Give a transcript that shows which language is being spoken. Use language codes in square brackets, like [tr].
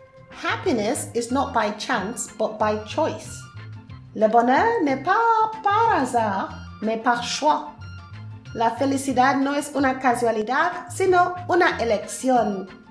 [en] Happiness is not by chance, but by choice. [fr] Le bonheur n'est pas par hasard, mais par choix. [es] La felicidad no es una casualidad, sino una elección.